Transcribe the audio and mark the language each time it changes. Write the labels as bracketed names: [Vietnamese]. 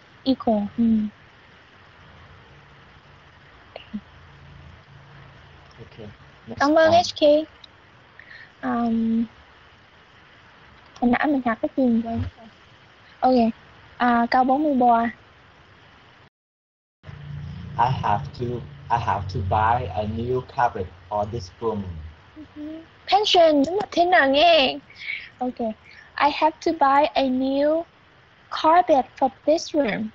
[English] Equal. Okay. [Vietnamese] Cảm ơn HK. Hồi nãy mình gặp cái gì rồi. Ok. Câu 43. [English] I have to buy a new carpet for this room. [Vietnamese] Pension, đúng rồi, thế nào nghe. [English] Ok. I have to buy a new carpet for this room.